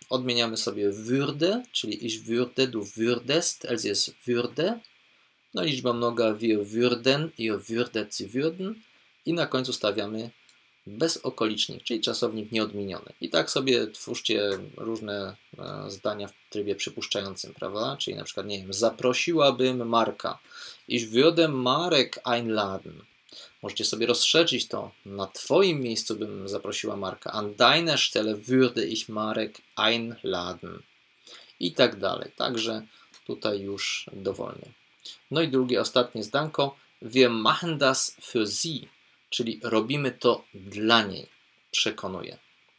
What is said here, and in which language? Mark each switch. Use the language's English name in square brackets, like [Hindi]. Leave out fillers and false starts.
[Polish] Odmieniamy sobie würde, czyli [German] ich würde, du würdest, es ist würde. [Polish] No liczba mnoga [German] wir würden, ihr würdet, sie würden. [Polish] I na końcu stawiamy bezokolicznik, czyli czasownik nieodmieniony. I tak sobie twórzcie różne zdania w trybie przypuszczającym, prawda? Czyli na przykład, nie wiem, zaprosiłabym Marka. [German] Ich würde Marek einladen. [Polish] Możecie sobie rozszerzyć to. Na twoim miejscu bym zaprosiła Marka. [German] An deiner Stelle würde ich Marek einladen. [Polish] I tak dalej. Także tutaj już dowolnie. No i drugie, ostatnie zdanko. [German] Wir machen das für sie. [Polish] Czyli robimy to dla niej. Przekonuję.